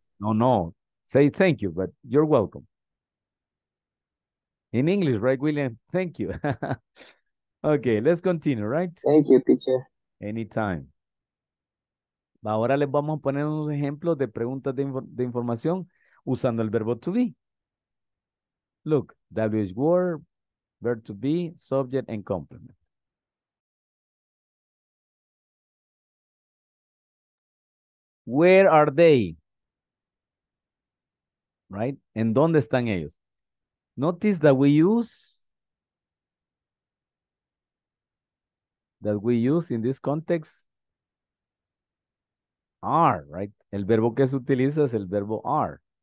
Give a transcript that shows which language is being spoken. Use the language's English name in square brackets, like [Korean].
[English] No. Say thank you, but you're welcome. In English, right, William? Thank you. Okay, let's continue, right? Thank you, teacher. Anytime. [Spanish] Ahora les vamos a poner unos ejemplos de preguntas de información. Usando el verbo to be. [English] Look, WH word, verb to be, subject and complement. Where are they? Right? [Spanish] ¿En dónde están ellos? [English] Notice that we use in this context are, right? [Spanish] El verbo que se utiliza es el verbo are.